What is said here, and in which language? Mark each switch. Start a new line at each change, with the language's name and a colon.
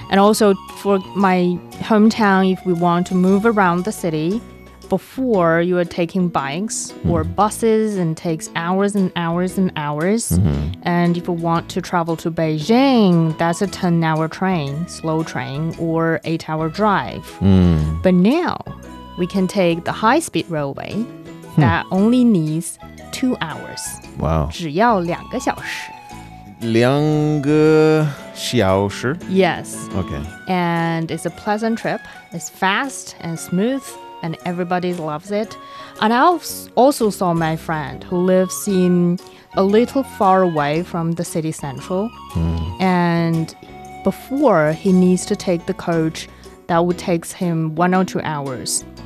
English: And also for my hometown, if we want to move around the city, before you are taking bikes or buses and takes hours and hours and hours. And if you want to travel to Beijing, that's a 10-hour train, slow train, or 8-hour drive. But now we can take the high-speed railway that only needs 2 hours. Wow.
Chinese: 只要两个小时。两个小时?
English: Yes. Okay. And it's a pleasant trip. It's fast and smooth, and everybody loves it. And I also saw my friend who lives in a little far away from the city central. And before, he needs to take the coach that would take him 1 or 2 hours.